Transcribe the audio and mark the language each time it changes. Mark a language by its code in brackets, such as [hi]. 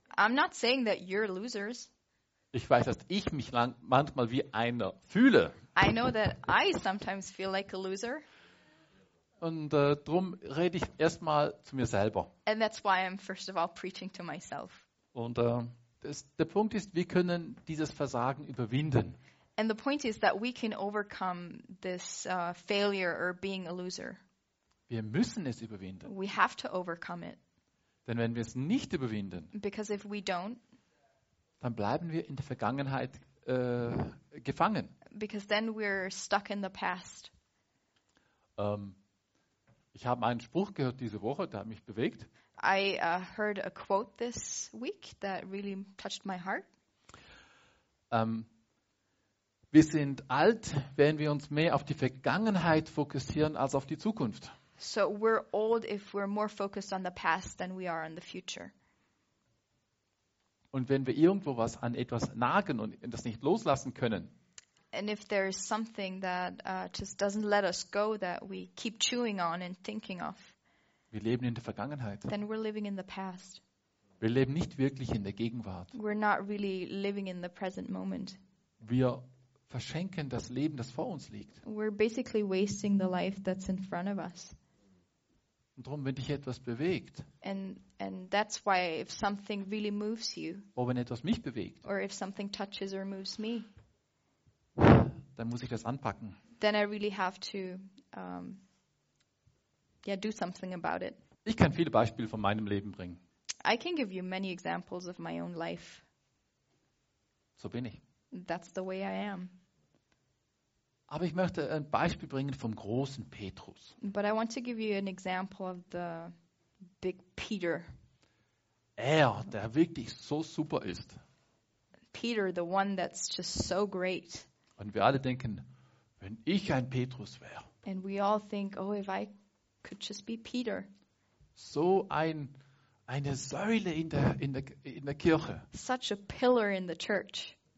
[en] I'm not saying that you're losers. [de] Ich weiß, dass ich mich manchmal wie einer fühle. [en] I know that I sometimes feel like a loser. [de] Und drum rede ich erstmal zu mir selber. [en] And that's why I'm first of all preaching to myself. [de] Und der Punkt ist, wir können dieses Versagen überwinden. [en] And the point is that we can overcome this failure or being a loser. [de] Wir müssen es überwinden. [en] We have to overcome it. [de] Denn wenn wir es nicht überwinden, [en] because if we don't, [de] dann bleiben wir in der Vergangenheit gefangen. [en] Because then we're stuck in the past. [de] Ich habe einen Spruch gehört diese Woche, der hat mich bewegt. [en] I heard a quote this week that really touched my heart. [de] Wir sind alt, wenn wir uns mehr auf die Vergangenheit fokussieren als auf die Zukunft. [en] So we're old if we're more focused on the past than we are on the future. [de] Und wenn wir irgendwo was an etwas nagen und das nicht loslassen können. [en] And if there is something that just doesn't let us go, that we keep chewing on and thinking of. [de] Wir leben in der Vergangenheit. [en] Then we're living in the past. [de] Wir leben nicht wirklich in der Gegenwart. [en] We're not really living in the present moment. [de] Wir verschenken das Leben, das vor uns liegt. [en] We're basically wasting the life that's in front of us. [de] Und darum, wenn dich etwas bewegt, [en] and that's why if something really moves you, [de] oder wenn etwas mich bewegt, [en] or if something touches or moves me, [de] dann muss ich das anpacken. [en] Then I really have to do something about it. [de] Ich kann viele Beispiele von meinem Leben bringen. [en] I can give you many examples of my own life. [de] So bin ich. [en] That's the way I am. [de] Aber ich möchte ein Beispiel bringen vom großen Petrus. [en] But I want to give you an example of the big Peter. [de] Er, der wirklich so super ist. [en] Peter, the one that's just so great. [de] Und wir alle denken, wenn ich ein Petrus wäre. [en] And we all think, oh, if I could just be Peter. [de] So eine Säule in der Kirche. [en] Such a pillar in the church.